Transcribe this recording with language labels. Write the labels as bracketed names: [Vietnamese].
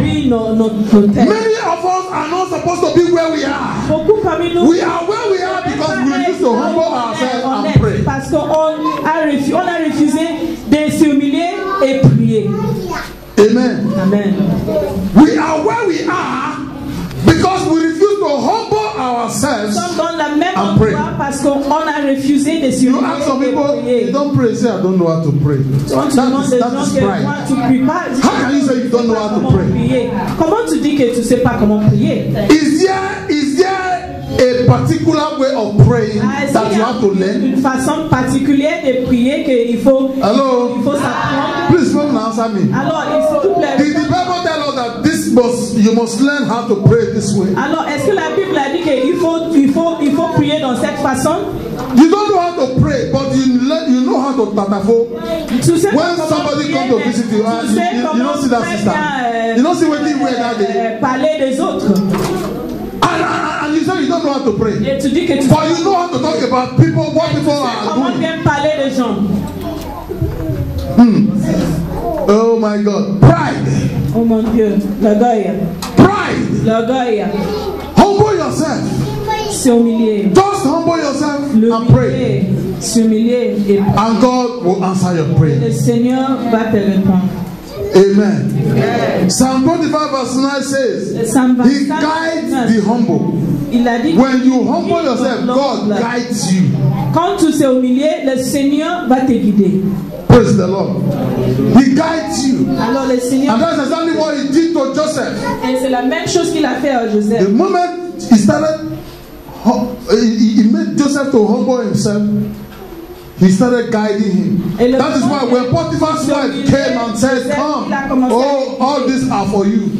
[English] Many of us are not supposed to be where we are. [French] Beaucoup parmi nous, [English] we are where we are because we refuse to humble ourselves and pray. [French] Parce qu'on a refusé de s'humilier et prier. [English] Amen. Amen. We are where we are because we refuse to humble ourselves. [French] Sommes dans la même endroit parce qu'on a refusé de s'humilier. [English] You ask some people, they don't pray. Say, I don't know how to pray. That is pride. How can you say you don't know how to pray? [French] Comment tu dis que tu sais pas comment prier? [English] Is there a particular way of praying that you have to learn? [French] Une façon particulière de prier que il faut s'apprendre. [English] Please come and answer me. [French] Alors, s'il te plaît. [English] Did the Bible tell us that this must you must learn how to pray this way? [French] Alors, est-ce que la Bible a dit que il faut prier dans cette façon? [English] You don't know how to pray, but you know how to tatafo. [French] Tu sais [English] when somebody comes to visit you, you don't see that sister. You don't see what they wear that day. [French] Parler des autres. [English] And you say you don't know how to pray. [French] Tu dis que tu [English] but you know how to talk about people, what people are doing. [French] Comment bien parler des gens? [English] Oh my God, pride. [French] Oh mon Dieu, l'orgueil. [English] Pride. [French] L'orgueil. [English] Humble yourself. [French] S'humilier. [English] Just humble yourself and pray. [French] S'humilier et prier. [English] And God will answer your prayer. [French] Le Seigneur va te répondre. [English] Amen. Psalm 25 verse 9 says, He guides the humble. [French] Il a dit [English] when you humble yourself, God guides you. [French] Quand tu es humilié, le Seigneur va te guider. [English] Praise the Lord. He guides you. [French] Alors le Seigneur. [English] And that's exactly what he did to Joseph. [French] Et c'est la même chose qu'il a fait à Joseph. [English] The moment he started, he made Joseph to humble himself. He started guiding him. That is why when Potiphar's wife came and said, come, all these are for you.